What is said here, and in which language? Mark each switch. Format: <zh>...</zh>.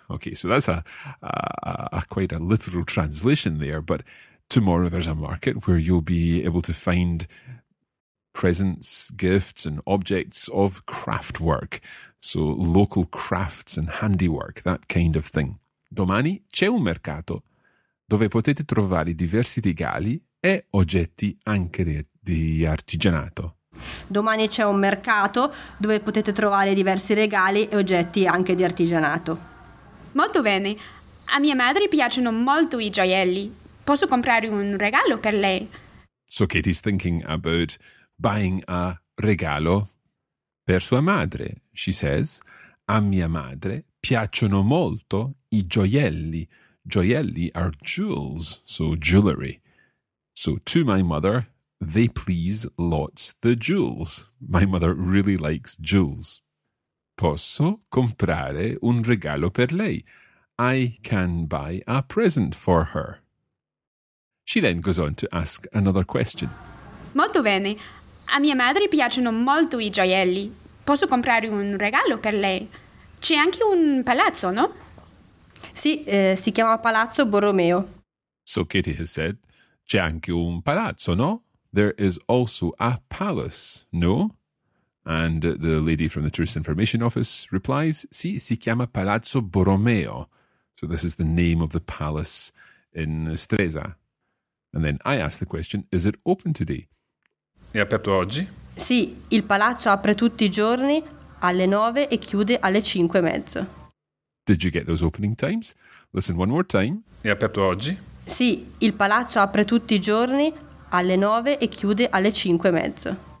<en>Okay, so that's a quite a literal translation there, but tomorrow there's a market where you'll be able to find presents, gifts, and objects of craft work. So local crafts and handiwork, that kind of thing.</en> <it>Domani c'è un mercato dove potete trovare diversi regali e oggetti anche di artigianato. Domani c'è un mercato dove potete trovare diversi regali e oggetti anche di artigianato. Molto bene. A mia madre piacciono molto I gioielli. Posso comprare un regalo per lei?</it> <en>So Katie's thinking about buying a</en> <it>regalo per sua madre.</it> <en>She says,</en> <it>a mia madre piacciono molto I gioielli.</it> <en>Gioielli are jewels, so jewelry. So to my mother, they please lots the jewels. My mother really likes jewels.</en> <it>Posso comprare un regalo per lei?</it> <en>I can buy a present for her. She then goes on to ask another question.</en> <it>Molto bene. A mia madre piacciono molto I gioielli. Posso comprare un regalo per lei? C'è anche un palazzo, no? Sì, si chiama Palazzo Borromeo.</it> <en>So Katie has said,</en> <it>c'è anche un palazzo, no?</it> <en>There is also a palace, no? And the lady from the tourist information office replies,</en> <it>sì, si chiama Palazzo Borromeo.</it> <en>So this is the name of the palace in Stresa. And then I ask the question, is it open today?</en> <it>È aperto oggi? Sì, il palazzo apre tutti I giorni alle 9 e chiude alle 5 e mezzo.</it> <en>Did you get those opening times? Listen one more time.</en> <it>È aperto oggi? Sì, il palazzo apre tutti I giorni alle 9 e chiude alle 5 e mezzo.</it>